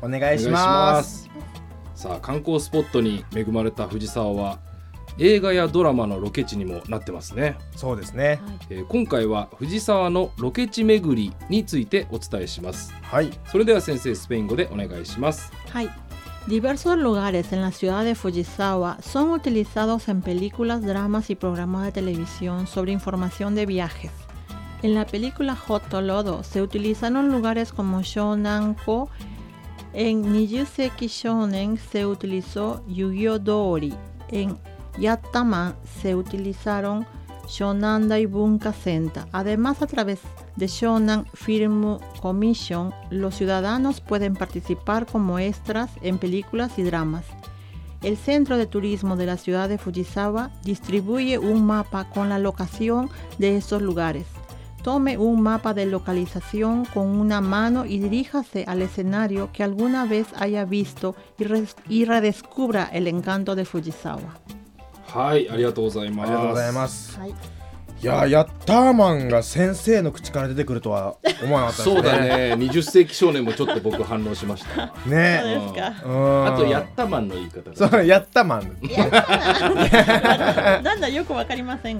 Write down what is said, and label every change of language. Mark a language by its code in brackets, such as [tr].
[ja] お願いします。さあ、観光スポットに恵まれた藤沢は映画やドラマのロケ地にもなってますね。そうですね、今回は藤沢のロケ地巡りについてお伝えします。はい、それでは先生、スペイン語でお願いします。はい。 [es] Diversos lugares en la ciudad de Fujisawa son utilizados en películas, dramas y programas de televisión sobre información de viajes. En la película Hotolodo se utilizaron lugares como Shonanko. En Nijuseki Shonen se utilizó Yugyodori. En Yattaman se utilizaron Shonanda y Bunka Senta. Además, a través de Shonan Film Commission, los ciudadanos pueden participar como extras en películas y dramas. El Centro de Turismo de la ciudad de Fujisawa distribuye un mapa con la locación de estos lugares. Tome un mapa de localización con una mano y diríjase al escenario que alguna vez haya visto y redescubra el encanto de Fujisawa. [ja] はい、ありがとうございます。ありがとうございます。いや、ヤッターマンが先生の口から出てくるとは思わなかったですね。そうだね。20世紀少年もちょっと僕反応しました。ね。そうですか。あとヤッターマンの言い方が、ね。そう、ヤッターマン。なんだよくわかりません。